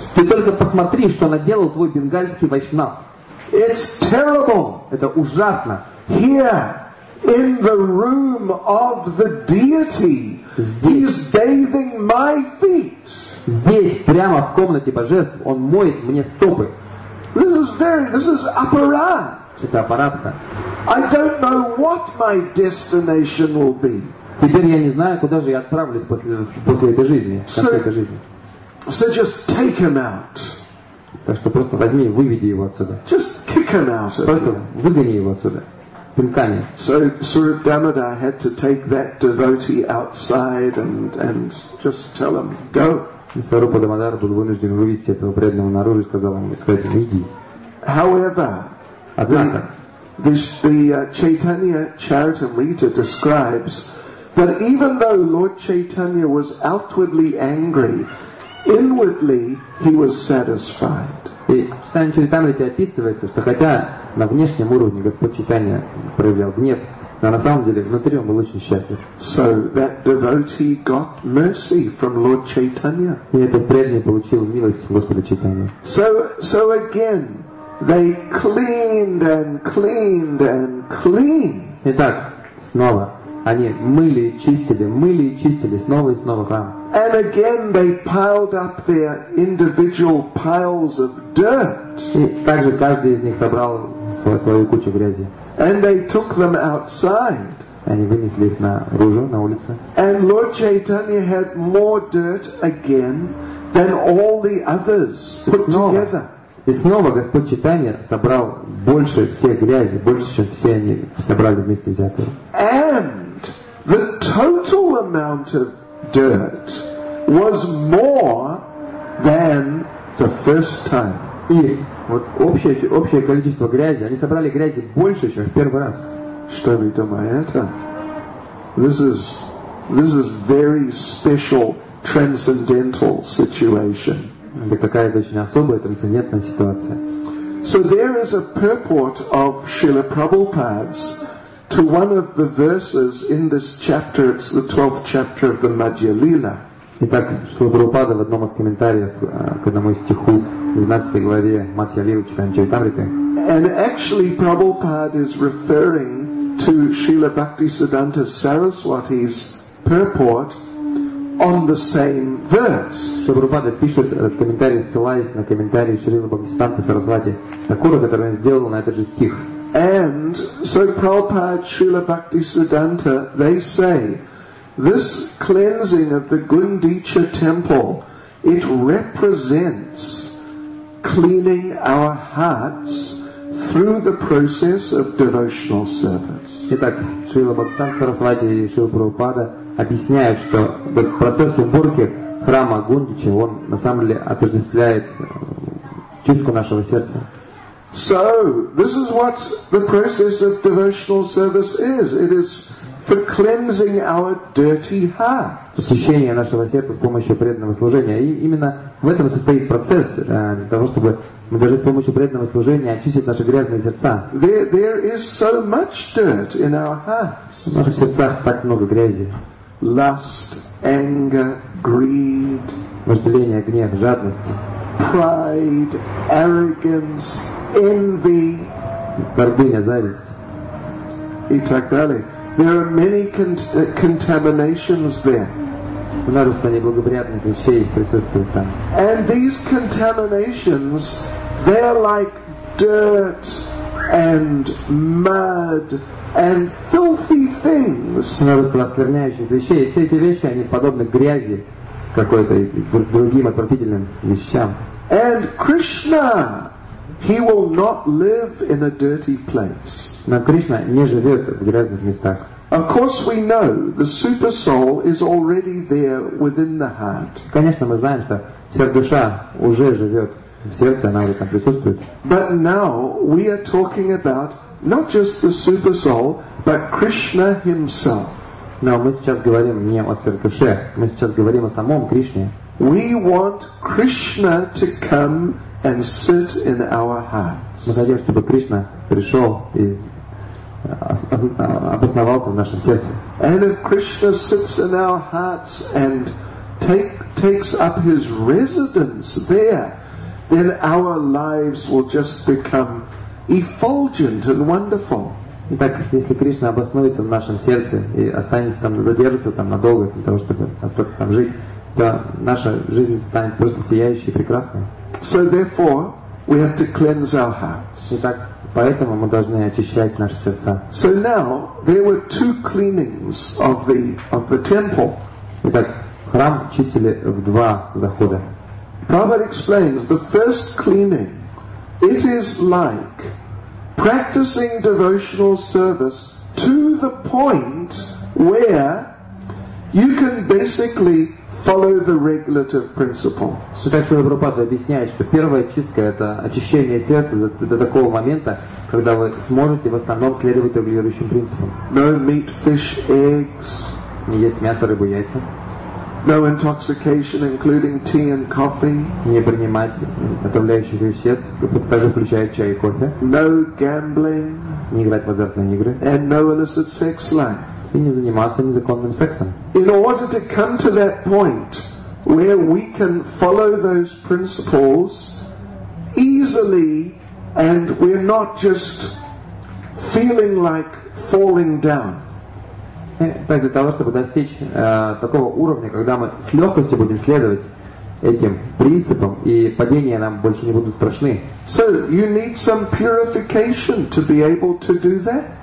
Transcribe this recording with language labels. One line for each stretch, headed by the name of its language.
Russian: Ты только посмотри, что наделал твой бенгальский вайшнав.
English: It's terrible.
Russian: Это ужасно.
English: Here, in the room of the deity, he's bathing my feet.
Russian: Здесь, прямо в комнате божеств, он моет мне стопы.
English: This is
Russian: аппарат. Это аппаратка.
English: I don't know what my destination will be.
Russian: Теперь я не знаю, куда же я отправлюсь после этой жизни, этой жизни.
English: So just take him out.
Russian: Так что просто возьми и выведи его отсюда.
English: Just kick him out.
Russian: Просто выгони его отсуда. Пинками.
English: So Surup Damodar had to take that devotee outside and just tell him go.
Russian: Сварупа Дамодара был вынужден вывести этого преданного наружу и сказать ему иди.
English: However,
Russian: однако,
English: the Chaitanya Charitamrita describes that even though Lord Chaitanya was outwardly angry, inwardly he was satisfied.
Russian: И Читания Чаритамрита описывается, что хотя на внешнем уровне Господь Читания проявлял гнев, но на самом деле внутри он был очень счастлив.
English: So that devotee got mercy from Lord Chaitanya.
Russian: И этот преданный получил милость Господа Читания.
English: So again, they cleaned and cleaned and cleaned.
Russian: Итак, снова. Они мыли и чистили, снова и снова храм.
English: And again they piled up their individual piles of dirt.
Russian: И также каждый из них собрал свою кучу грязи.
English: And they took them outside.
Russian: Они вынесли их наружу, на улицу.
English: And Lord Chaitanya had more dirt again than all the others put together.
Russian: И снова Господь Читания собрал больше всех грязи, больше, чем все они собрали вместе взятые.
English: And the total amount of dirt was more than the first time.
Russian: И вот общее количество грязи, они собрали грязи больше, чем в первый раз. Что вы думаете?
English: This is very special transcendental situation.
Russian: Это какая-то очень особая трансцендентная ситуация.
English: So there is a purport of Srila Prabhupada's to one of the verses in this chapter. It's the 12th chapter of the Madhya Lila.
Russian: Итак, Шрила Прабхупада в одном из комментариев к одному из стиху в 12 главе Мадхья Лилы читаем Чайтамриты.
English: And actually Prabhupada is referring to Srila Bhaktisiddhanta Saraswati's purport on the same verse.
Russian: Шрила Прабхупада пишет этот комментарий, ссылаясь на комментарий Шрилы Бхактисиддханты Сарасвати Такура, который он сделал на этот же стих.
English: And so Prabhupada, Srila Bhaktisiddhanta, they say, this cleansing of the Gundicha temple, it represents cleaning our hearts through the process of devotional service.
Russian: Итак, Шрила Бхактисиддханта Сарасвати и Шрила Прабхупада объясняют, что процесс уборки храма Гундича, он на самом деле отождествляет чистку нашего сердца.
English: So, this is what the process of devotional service is. It is for cleansing our dirty hearts.
Russian: Очищение нашего сердца с помощью преданного служения. И именно в этом состоит процесс, для того, чтобы мы даже с помощью преданного служения очистить наши грязные сердца.
English: There is so much dirt in our hearts.
Russian: В наших сердцах так много грязи.
English: Lust, anger, greed.
Russian: Вожделение, гнев, жадность.
English: Pride, arrogance, envy.
Russian: Гордыня, зависть. И так далее.
English: There are many contaminations there.
Russian: Множество неблагоприятных вещей присутствует там.
English: And these contaminations, they are like dirt and mud and filthy things.
Russian: Множество оскверняющих вещей. Все эти вещи, они подобны грязи какой-то и другим отвратительным вещам.
English: And Krishna, he will not live in a dirty place.
Russian: Но Кришна не живет в грязных местах.
English: Of course we know the super soul is already there within the heart.
Russian: Конечно, мы знаем, что сердуша уже живет в сердце, она уже там присутствует.
English: But now we are talking about not just the super soul, but Krishna himself.
Russian: Но мы сейчас говорим не о сердуше, мы сейчас говорим о самом Кришне.
English: We want Krishna to come and sit in our hearts.
Russian: Мы хотим, чтобы Кришна пришел и обосновался в нашем сердце.
English: And if Krishna sits in our hearts and takes up his residence there, then our lives will just become effulgent and wonderful.
Russian: Итак, если Кришна обоснуется в нашем сердце и останется там, задержится там надолго для того, чтобы остаться там жить, то наша жизнь станет просто сияющей и прекрасной.
English: So therefore, we have to cleanse our hearts.
Russian: Итак, поэтому мы должны очищать наши сердца.
English: So now there were two cleanings of the temple.
Russian: Итак, храм чистили в два захода.
English: Prabhupada explains the first cleaning. It is like practicing devotional service to the point where you can basically follow the regulative principle.
Russian: Итак, Шрила Прабхупада объясняет, что первая чистка — это очищение сердца до такого момента, когда вы сможете в основном следовать регулирующим принципам.
English: No meat, fish, eggs.
Russian: Не есть мясо, рыбу, яйца.
English: No intoxication, including tea and coffee.
Russian: Не принимать отравляющих веществ, также включая чай и кофе.
English: No gambling.
Russian: Не играть в азартные игры.
English: And no illicit sex life.
Russian: И не заниматься незаконным сексом.
English: In order to come to that point where we can follow those principles easily and we're not just feeling like falling down.
Russian: Так, для того, чтобы достичь такого уровня, когда мы с легкостью будем следовать этим принципам, и падения нам больше не будут страшны.
English: So you need some purification to be able to do that.